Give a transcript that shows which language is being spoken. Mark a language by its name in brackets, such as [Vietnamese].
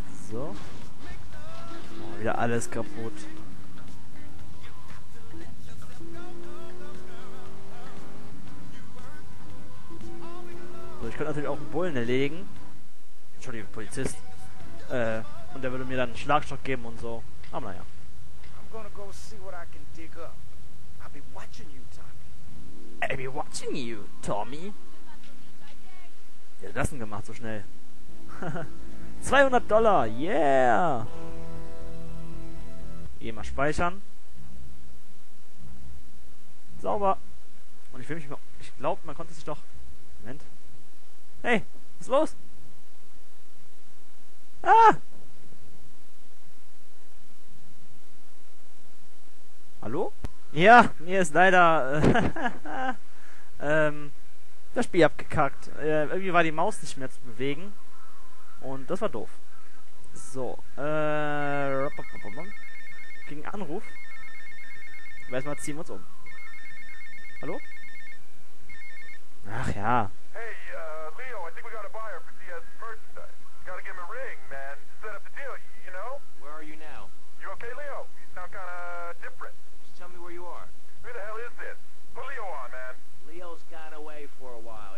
[German] So. Oh, wieder alles kaputt. So, ich könnte natürlich auch einen Bullen erlegen. Entschuldigung, Polizist. Und der würde mir dann einen Schlagstock geben und so. Aber naja. [English] I'm gonna go see what I can dig up. I'll be watching you, Tommy. I'll be watching you, Tommy. [German] Wie hat er das denn gemacht so schnell? [English] $200, yeah! [German] Geh mal speichern. Sauber. Und ich will mich mal. Ich glaube, man konnte sich doch. Moment. Hey, was ist los? Ah! Hallo? Ja, mir ist leider das Spiel abgekackt. Irgendwie war die Maus nicht mehr zu bewegen. Und das war doof. So, gegen Anruf. Ich weiß mal, ziehen wir uns um. Hallo? Ach ja. [English] Hey, Leo, I think we got a buyer for CS merchandise. Gotta give him a ring, man. Set up the deal, you know? Where are you now? You okay, Leo? You sound kinda different. Just tell me where you are. Who the hell is this? Put Leo on, man. Leo's got away for a while.